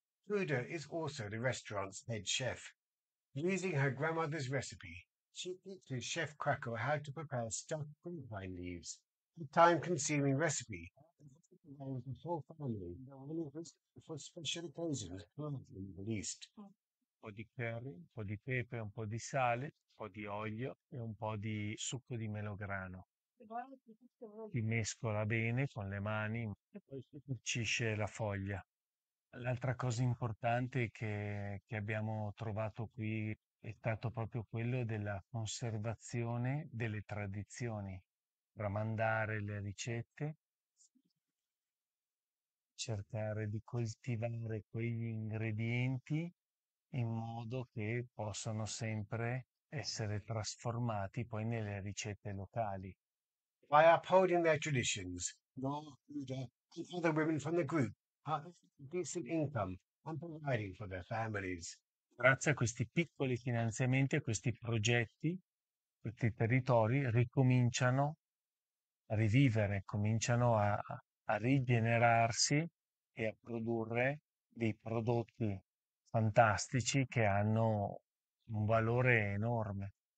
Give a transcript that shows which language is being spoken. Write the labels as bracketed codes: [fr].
[en] Huda is also the restaurant's head chef. Using her grandmother's recipe, she teaches Chef Krakow how to prepare stuffed grapevine leaves, a time-consuming recipe that has been provided the whole family for special occasions currently released. [it] Un po' di curry, un po' di pepe, un po' di sale, un po' di olio e un po' di succo di melograno. Si mescola bene con le mani e poi si cucisce la foglia. L'altra cosa importante che abbiamo trovato qui è stato proprio quello della conservazione delle tradizioni, tramandare le ricette, cercare di coltivare quegli ingredienti in modo che possano sempre essere trasformati poi nelle ricette locali. [en] By upholding their traditions, Huda and other women from the group are earning decent income and providing for their families. [it] Grazie a questi piccoli finanziamenti, a questi progetti, questi territori ricominciano a rivivere, cominciano a rigenerarsi e a produrre dei prodotti fantastici che hanno un valore enorme.